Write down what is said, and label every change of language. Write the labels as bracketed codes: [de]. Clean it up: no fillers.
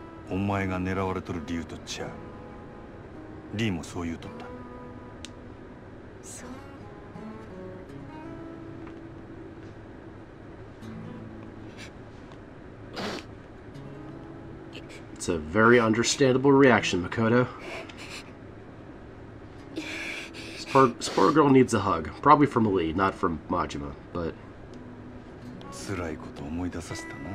[ja] お前が狙われとる理由とっちゃ。リーもそう言うとった。そう。 [en] It's a very understandable reaction, Makoto. Spore girl needs a hug, probably from Lee, not from Majima, but [ja] 辛いこと思い出させたな。